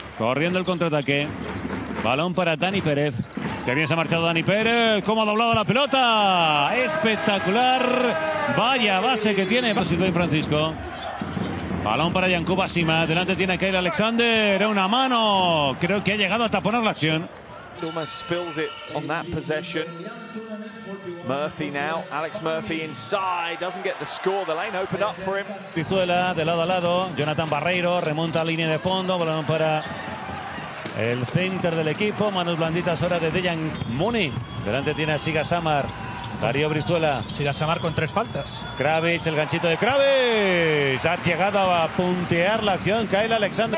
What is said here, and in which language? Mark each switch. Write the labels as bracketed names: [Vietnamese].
[Spanish] Corriendo el contraataque. Balón para Dani Pérez. Qué bien se ha marchado Dani Pérez. Cómo ha doblado la pelota. Espectacular. Vaya base que tiene. Francisco. Balón para Jankuba Sima. Adelante tiene que ir Alexander. Una mano. Creo que ha llegado hasta poner la acción. [English] Dumas spills it on that possession. Murphy now, Alex Murphy inside, doesn't get the score, the lane opened up for him. [Spanish] Pizuela de lado a lado, Jonathan Barreiro remonta a línea de fondo, balón para el center del equipo, manos blanditas ahora de Dejan Muni. Delante tiene a Siga Samar, Darío Brizuela. Siga Samar con 3 faltas. Kravic, el ganchito de Kravic, ha llegado a puntear la acción, Kyle Alexander.